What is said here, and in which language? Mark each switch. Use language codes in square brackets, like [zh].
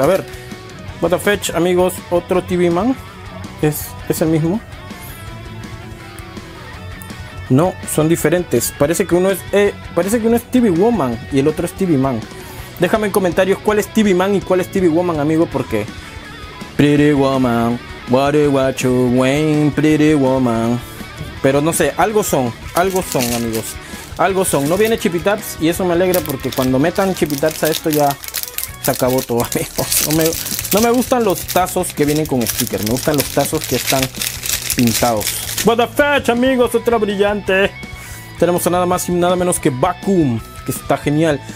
[es] A ver, [en] what the fetch, [es] amigos, otro TV Man. ¿Es el mismo? No, son diferentes. Parece que uno es TV Woman y el otro es TV Man. Déjame en comentarios cuál es TV Man y cuál es TV Woman, amigo, porque... [en] Pretty Woman, what you wearing, Pretty Woman. [es] Pero no sé, algo son, amigos. Algo son. No viene Chippy Taps y eso me alegra porque cuando metan Chippy Taps a esto ya se acabó todo, amigos. No me gustan los tazos que vienen con stickers. Me gustan los tazos que están pintados. [en] What the fetch, [es] amigos. Otra brillante. Tenemos a nada más y nada menos que Vacuum, que está genial.